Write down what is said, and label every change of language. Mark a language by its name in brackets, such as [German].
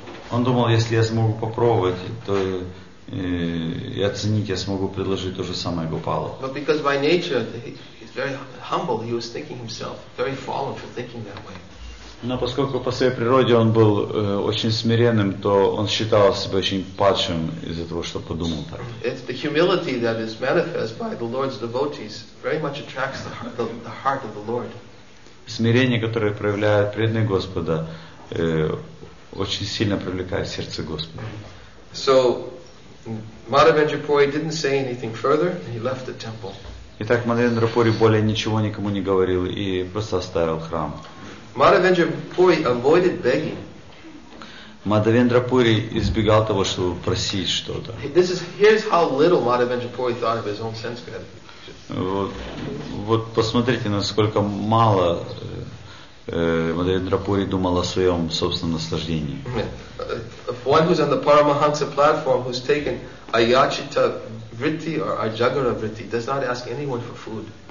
[Russian] Он думал, если я смогу попробовать, то и оценить, я смогу предложить то же самое Гопалу. [English] But because by nature he's very humble, he was thinking himself very fallen for thinking that way. [Russian] Но поскольку по своей природе он был очень смиренным, то он считал себя очень падшим из-за того, что подумал так. [English] It's the humility that is manifest by the Lord's devotees very much attracts the heart of the Lord. [Russian] Смирение, которое проявляет преданный Господа, очень сильно привлекает сердце Господа. [English] So Madhavendra Puri didn't say anything further, and he left the temple. [Russian] Итак, Мадхавендра Пури более ничего никому не говорил и просто оставил храм. [English] Madhavendra Puri avoided begging. [Russian] Madhavendra Puri избегал того, чтобы просить что-то. [English] Here's how little Madhavendra Puri thought of his own sense gratification. [Russian] Вот посмотрите, насколько мало Мадхавендра Пури думал о своем собственном наслаждении. [English] One who's on the Paramahansa platform, who's taken Ayachita Vritti or Ajagara Vritti, does not ask anyone for food.